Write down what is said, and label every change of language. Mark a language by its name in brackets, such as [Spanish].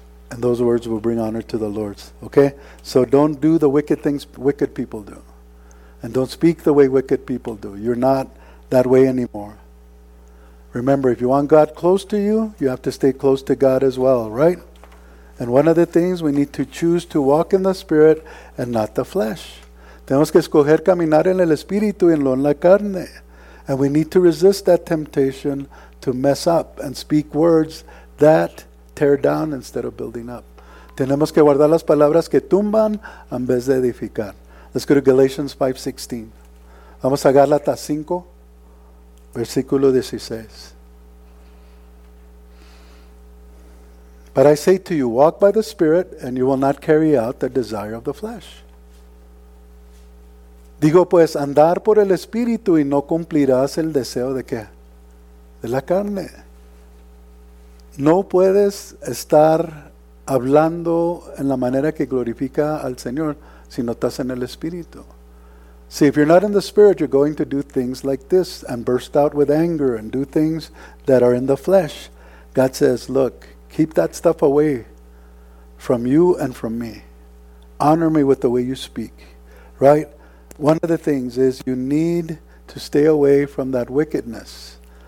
[English] And those words will bring honor to the Lord. Okay? So don't do the wicked things wicked people do. And don't speak the way wicked people do. You're not that way anymore. Remember, if you want God close to you, you have to stay close to God as well, right? And one of the things, we need to choose to walk in the Spirit and not the flesh. [Spanish] Tenemos que escoger caminar en el Espíritu y no en la carne. [English] And we need to resist that temptation to mess up and speak words that tear down instead of building up. [Spanish] Tenemos que guardar las palabras que tumban en vez de edificar. [English] Let's go to Galatians 5:16. [Spanish] Vamos a Gálatas 5. Versículo 16. [English] But I say to you, walk by the Spirit, and you will not carry out the desire of the flesh. [Spanish] Digo pues, andar por el Espíritu y no cumplirás el deseo de qué? De la carne. No puedes estar hablando en la manera que glorifica al Señor si no estás en el Espíritu. [English] See, if you're not in the Spirit, you're going to do things like this and burst out with anger and do things that are in the flesh. God says, look, keep that stuff away from you and from me. Honor me with the way you speak, right? One of the things is you need to stay away from that wickedness.